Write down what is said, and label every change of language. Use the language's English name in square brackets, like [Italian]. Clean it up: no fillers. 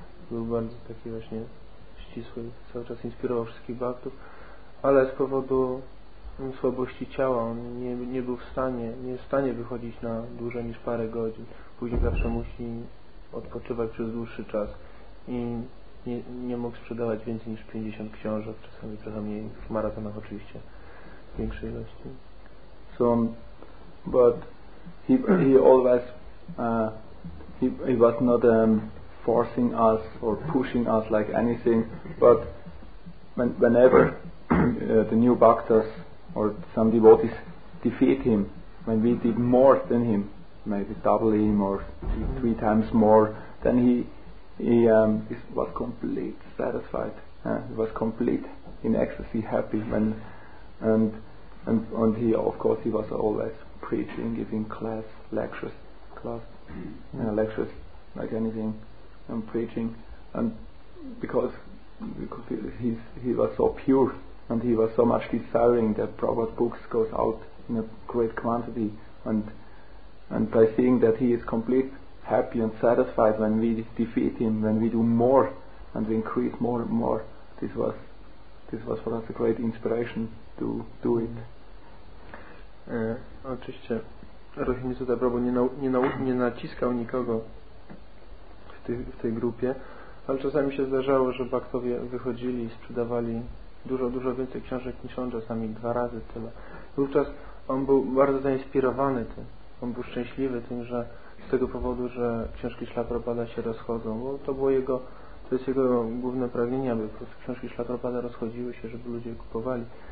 [Polish] Był bardzo taki właśnie ścisły, cały czas inspirował wszystkich bhaktów, ale z powodu słabości ciała on nie był w stanie, nie jest w stanie wychodzić na dłużej niż parę godzin. Później zawsze musi odpoczywać przez dłuższy czas. I nie mógł sprzedawać więcej niż 50 książek, czasami trochę mniej, w maratonach oczywiście w większej ilości. [English] So, but he always he was not forcing us or pushing us like anything, but whenever the new bhaktas or some devotees defeat him, when we did more than him, maybe double him or three times more, then he was complete satisfied. He was complete in ecstasy, happy. And he, of course, he was always preaching, giving lectures like anything, and preaching. And because he was so pure and he was so much desiring that Prabhupada's books goes out in a great quantity, and by seeing that he is complete, happy and satisfied when we defeat him, when we do more and we increase more and more. This was for us a great inspiration to do it. [Polish] Oczywiście Ruchini Sutta Prabhu nie naciskał nikogo w tej grupie, ale czasami się zdarzało, że bhaktowie wychodzili i sprzedawali dużo, dużo więcej książek niż on, czasami dwa razy tyle. Wówczas on był bardzo zainspirowany tym. On był szczęśliwy tym, że z tego powodu, że książki Śla Prabhupada się rozchodzą, bo to jest jego główne pragnienie, aby po prostu książki Śla Prabhupada rozchodziły się, żeby ludzie je kupowali.